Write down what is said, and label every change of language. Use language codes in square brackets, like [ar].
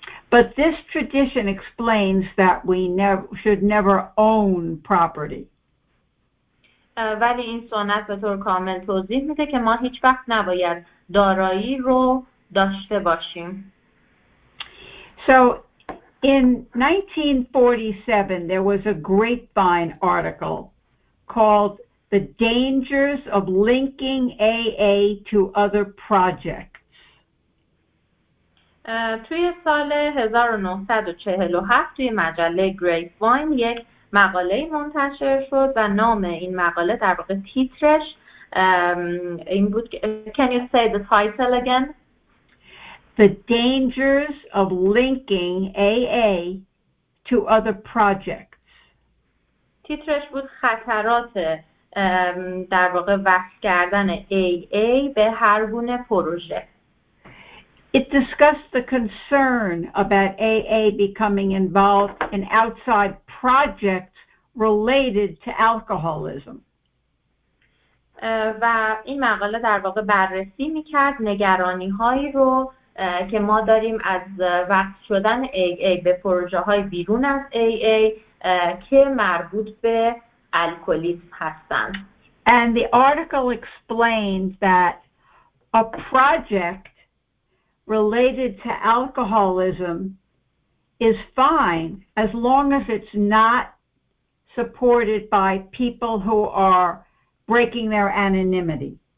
[en] But this tradition explains that we should never own property. [fa] ولی این سنت به طور کامل توضیح میده که ما هیچ وقت نباید دارایی رو داشته باشیم. [en] So in 1947 there was a grapevine article called The Dangers of Linking AA to Other Projects. [fa] توی سال 1947 توی مجله Grapevine یک مقاله منتشر شد و نام این مقاله در واقع تیترش این بود. [en] Can you say the title again? The Dangers of Linking AA to Other Projects. [fa] تیترش بود خطرات در واقع وصل کردن AA به هر گونه پروژه. [en] It discussed the concern about AA becoming involved in outside projects related to alcoholism. [fa] و این مقاله در واقع بررسی میکرد نگرانی هایی رو که ما داریم از وصل شدن AA به پروژه های بیرون از AA که مربوط به الکلیسم هستند. [en] And the article explains that a project related to alcoholism is fine as long as it's not supported by people who are breaking their anonymity.